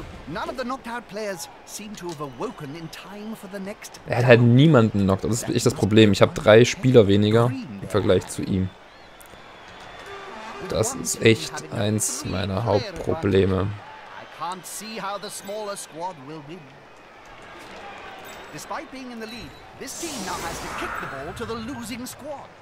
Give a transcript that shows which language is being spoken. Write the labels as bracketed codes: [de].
[en] None of the knocked out players seem to have awoken in time for the next. [de] Er hat halt niemanden knockt, das ist echt das Problem. Ich habe 3 Spieler weniger im Vergleich zu ihm. Das ist echt eins meiner Hauptprobleme. [en] I can't see how the smaller squad will win. Despite being in the lead, this team now has to kick the ball to the losing squad.